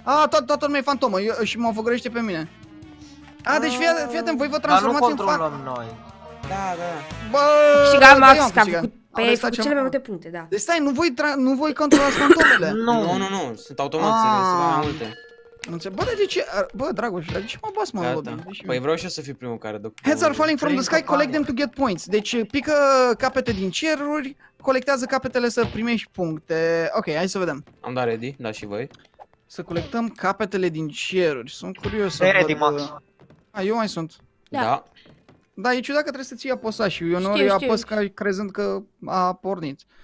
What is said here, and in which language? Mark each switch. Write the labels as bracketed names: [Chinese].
[Romanian] Toată lumea e fantomă și mă făgurește pe mine. Deci fii atent, voi vă transformați în fantomă. Dar nu controlăm noi. Da, da. Bă, câștiga Max, că a făcut cele mai multe puncte, da. Deci stai, nu voi controlați fantomele. Nu, sunt automații, sunt mai multe. Bă, dar de ce? Bă, Dragoș, dar de ce mă bați, mă, lobby? Păi vreau și eu să fiu primul care duc. [English] Heads are falling from the sky, collect them to get points. [Romanian] Deci pică capete din ceruri, colectează capetele să primești puncte. Ok, hai să vedem. Am dat ready, da și voi. Să colectăm capetele din ceruri, sunt curios. De ready, Max. Eu mai sunt. Da. Da, e ciudat că trebuie să ții aposașiu, eu nu știu, apăs ca crezând că a pornit.